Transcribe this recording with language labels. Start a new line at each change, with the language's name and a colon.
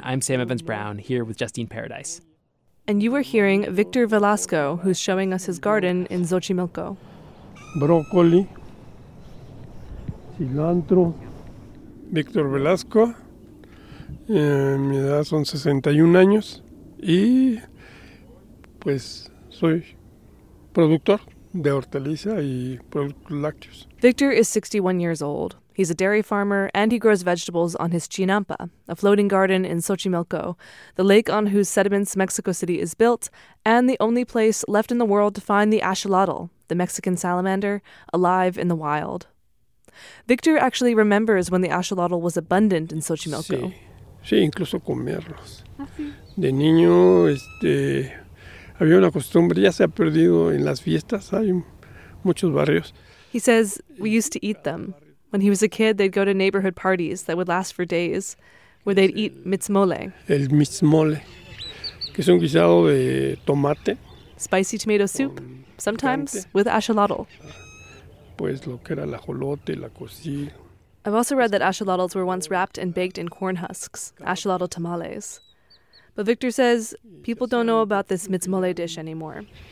English: I'm Sam Evans-Brown, here with Justine Paradise. And you were hearing Victor Velasco, who's showing us his garden in Xochimilco. Broccoli, cilantro.
Spanish: Victor Velasco, mi edad son 61 años, y pues... soy productor de hortaliza y productos lácteos.
English: Victor is 61 years old. He's a dairy farmer, and he grows vegetables on his chinampa, a floating garden in Xochimilco, the lake on whose sediments Mexico City is built, and the only place left in the world to find the axolotl, the Mexican salamander, alive in the wild. Victor actually remembers when the axolotl was abundant in Xochimilco.
Spanish: Sí, incluso comerlos. De niño, había una costumbre, ya se ha perdido en las fiestas, hay muchos barrios.
English: He says, we used to eat them. When he was a kid, they'd go to neighborhood parties that would last for days, where they'd eat mitzmole.
Spanish: El mitzmole, que es un guisado de tomate.
English: Spicy tomato soup, sometimes picante, with axolotl.
Spanish: Pues lo que era la ajolote, la cocina.
English: I've also read that axolotls were once wrapped and baked in corn husks, axolotl tamales. But Victor says people don't know about this mitzmole dish anymore.